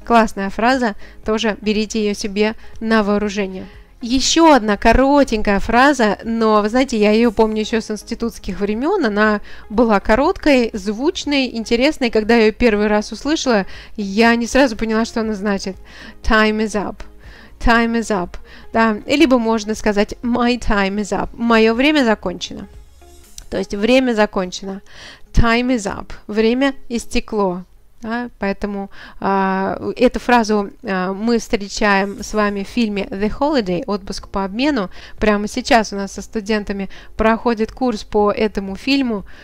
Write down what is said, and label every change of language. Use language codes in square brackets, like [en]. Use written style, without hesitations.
[ru] Классная фраза, тоже берите ее себе на вооружение. Еще одна коротенькая фраза, но, вы знаете, я ее помню еще с институтских времен, она была короткой, звучной, интересной. Когда я ее первый раз услышала, я не сразу поняла, что она значит. [en] Time is up. Time is up. [ru] Да. Либо можно сказать [en] my time is up. [ru] Мое время закончено. То есть время закончено. [en] Time is up. [ru] Время истекло. Да? Поэтому эту фразу мы встречаем с вами в фильме The Holiday, отпуск по обмену. Прямо сейчас у нас со студентами проходит курс по этому фильму.